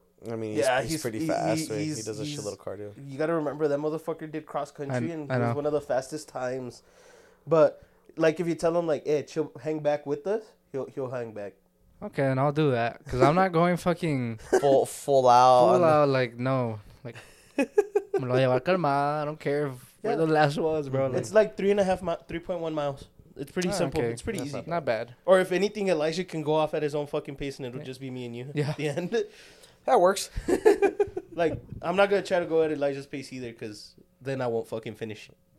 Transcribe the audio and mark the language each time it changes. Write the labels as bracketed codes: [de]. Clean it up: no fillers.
[en] I mean, he's pretty fast. He does a shitload of cardio. You got to remember, that motherfucker did cross country and it was one of the fastest times. But... like, if you tell him, like, hey, chill, hang back with us, he'll hang back. Okay, and I'll do that. Because I'm not going fucking... full out. Full out, like, no. Like, [es] me lo voy a llevar calmado. [en] I don't care where the last was, bro. It's like 3.1 miles. It's pretty simple. Okay. It's pretty easy. Not bad. Or if anything, Elijah can go off at his own fucking pace and it'll just be me and you at the end. That works. Like, I'm not going to try to go at Elijah's pace either because then I won't fucking finish.